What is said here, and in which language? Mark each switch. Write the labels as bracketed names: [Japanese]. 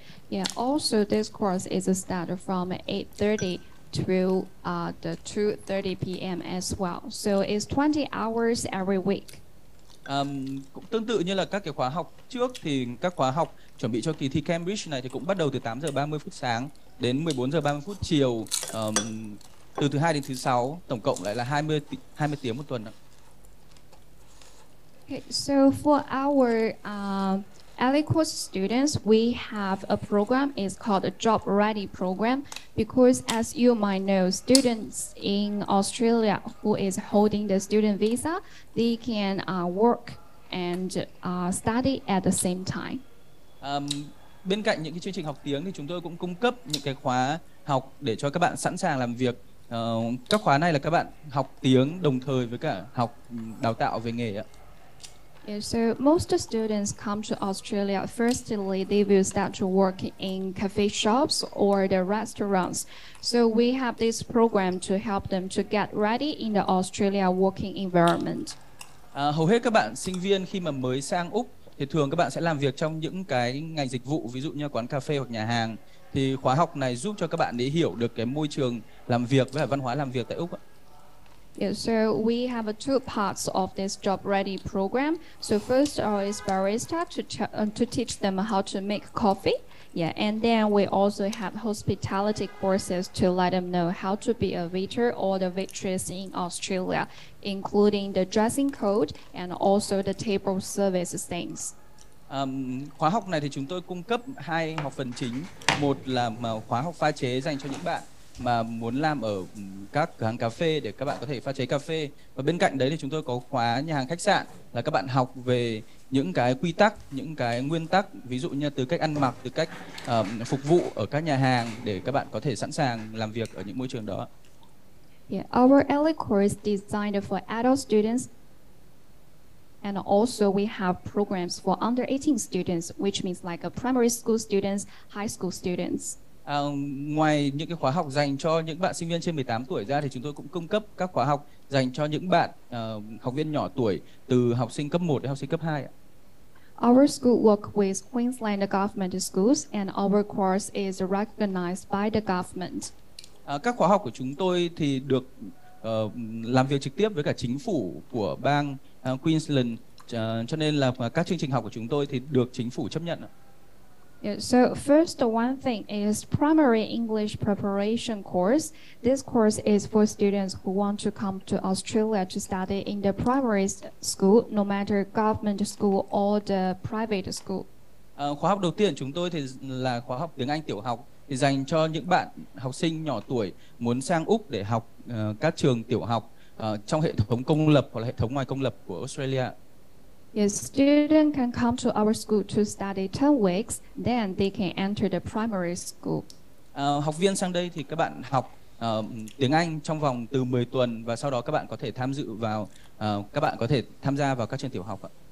[English] Yeah, also this course is a start from 8:30 through the 2:30 p.m. as well. So it's 20 hours every week. [Vietnamese] Cũng tương tự như là các cái khóa học trước thì các khóa học chuẩn bị cho kỳ thi Cambridge này thì cũng bắt đầu từ 8:30 phút sáng đến 14:30 phút chiều, từ thứ hai đến thứ sáu, tổng cộng lại là 20 tiếng một tuần. [English] Okay, so for our Eliquis students, we have a program, it's called a job ready program, because as you might know, students in Australia who is holding the student visa, they can work and study at the same time. [Vietnamese] Bên cạnh những cái chương trình học tiếng thì chúng tôi cũng cung cấp những cái khóa học để cho các bạn sẵn sàng làm việc. Các khóa này là các bạn học tiếng đồng thời với cả học đào tạo về nghề ạ. [English] Yeah, so most students come to Australia, firstly, they will start to work in cafe shops or the restaurants. So we have this program to help them to get ready in the Australia working environment. [Vietnamese] Hầu hết các bạn sinh viên khi mà mới sang Úc thì thường các bạn sẽ làm việc trong những cái ngành dịch vụ, ví dụ như quán cà phê hoặc nhà hàng. Thì khóa học này giúp cho các bạn để hiểu được cái môi trường làm việc với văn hóa làm việc tại Úc. [English] Yeah, so we have a two parts of this job ready program. So first is barista to teach them how to make coffee. Yeah, and then we also have hospitality courses to let them know how to be a waiter or the waitress in Australia, including the dressing code and also the table service things. [Vietnamese] Khóa học này thì chúng tôi cung cấp hai học phần chính. Một là khóa học pha chế dành cho những bạn mà muốn làm ở các cửa hàng cà phê để các bạn có thể pha chế cà phê. Và bên cạnh đấy thì chúng tôi có khóa nhà hàng khách sạn, là các bạn học về những cái quy tắc, những cái nguyên tắc, ví dụ như từ cách ăn mặc, từ cách phục vụ ở các nhà hàng để các bạn có thể sẵn sàng làm việc ở những môi trường đó. [English] Yeah, our LA course designed for adult students, and also we have programs for under 18 students, which means like a primary school students, high school students. [Vietnamese] Ngoài những cái khóa học dành cho những bạn sinh viên trên 18 tuổi ra thì chúng tôi cũng cung cấp các khóa học dành cho những bạn học viên nhỏ tuổi, từ học sinh cấp 1 đến học sinh cấp 2. [English] Our school work with Queensland government schools and our course is recognized by the government. [Vietnamese] Các khóa học của chúng tôi thì được làm việc trực tiếp với cả chính phủ của bang Queensland, cho nên là các chương trình học của chúng tôi thì được chính phủ chấp nhận. [English] Yeah, so first one thing is primary English preparation course. This course is for students who want to come to Australia to study in the primary school, no matter government school or the private school. [Vietnamese] Khóa học đầu tiên chúng tôi thì là khóa học tiếng Anh tiểu học, thì dành cho những bạn học sinh nhỏ tuổi muốn sang Úc để học các trường tiểu học trong hệ thống công lập hoặc là hệ thống ngoài công lập của Australia. [English] Yes, student can come to our school to study 10 weeks, then they can enter the primary school. [Vietnamese] Học viên sang đây thì các bạn học tiếng Anh trong vòng từ 10 tuần và sau đó các bạn có thể tham dự vào các bạn có thể tham gia vào các trường tiểu học ạ.